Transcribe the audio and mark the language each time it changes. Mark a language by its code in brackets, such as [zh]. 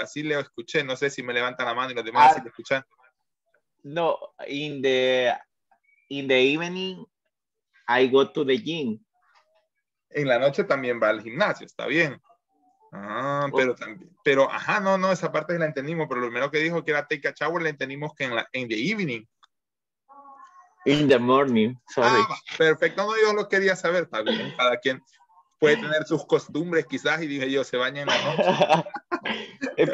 [es] Así le escuché, no sé si me levantan la mano y los demás así lo escuchan. [en] No, in the evening I go to the gym. [es] En la noche también va al gimnasio, está bien. Ah, pero también, pero ajá, no, no, esa parte la entendimos, pero lo primero que dijo que era [en] take a shower, [es] la entendimos que en [en] the evening. In the morning, sorry. Ah, [es] perfecto, no, yo lo quería saber, está bien, cada quien puede tener sus costumbres quizás, y dije yo, se baña en la noche.